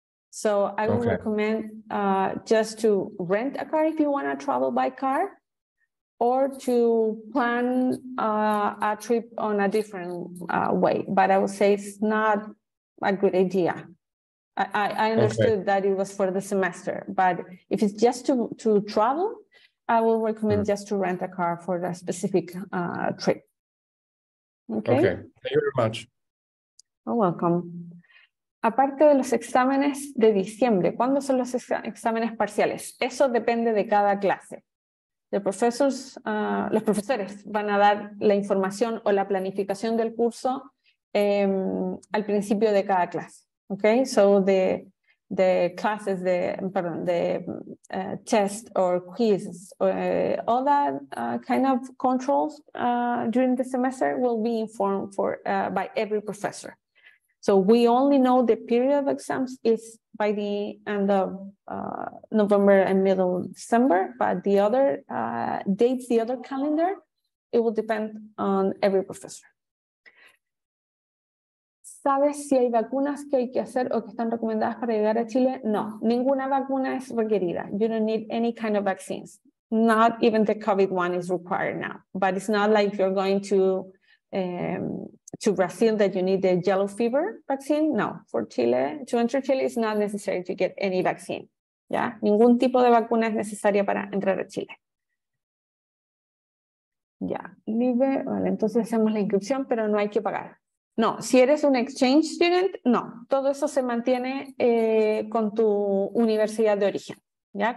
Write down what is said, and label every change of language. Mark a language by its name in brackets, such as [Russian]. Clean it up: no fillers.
[English] So I would recommend just to rent a car if you want to travel by car, or to plan a trip on a different way. But I would say it's not a good idea. I understood that it was for the semester, but if it's just to travel, I will recommend just to rent a car for a specific trip. Okay. Thank you very much. Oh, welcome. [Spanish] Aparte de los exámenes de diciembre, ¿cuándo son los exámenes parciales? Eso depende de cada clase. Los profesores van a dar la información o la planificación del curso al principio de cada clase. [English] Okay, so the tests or quizzes, all that kind of controls during the semester will be informed by every professor. So we only know the period of exams is by the end of November and middle December, but the other dates, the other calendar, it will depend on every professor. [Spanish] ¿Sabes si hay vacunas que hay que hacer o que están recomendadas para llegar a Chile? No, ninguna vacuna es requerida. [English] You don't need any kind of vaccines. Not even the COVID one is required now. But it's not like you're going to Brazil that you need the yellow fever vaccine. No, for Chile, to enter Chile, it's not necessary to get any vaccine. [Spanish] Yeah, ningún tipo de vacuna es necesaria para entrar a Chile. Yeah, libre. Vale, entonces hacemos la inscripción, pero no hay que pagar. No, si eres un exchange student, no. Todo eso se mantiene con tu universidad de origen. ¿Ya?